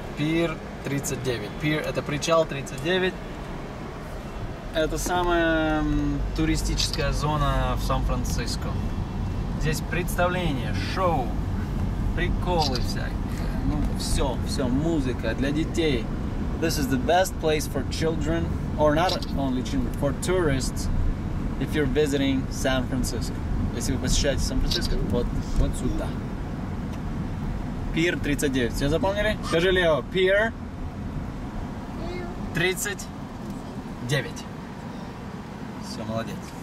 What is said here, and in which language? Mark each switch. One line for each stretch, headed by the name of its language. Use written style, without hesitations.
Russian: Пир 39. Пир – это причал 39. Это самая туристическая зона в Сан-Франциско. Здесь представления, шоу, приколы всякие. Ну, все, все, музыка для детей.
English: This is the best place for children, or not only children, for tourists, if you're visiting San Francisco.
Russian: Если вы посещаете Сан-Франциско, вот сюда. Пир 39. Все запомнили? Скажи, Лео, пир 39. Все, молодец.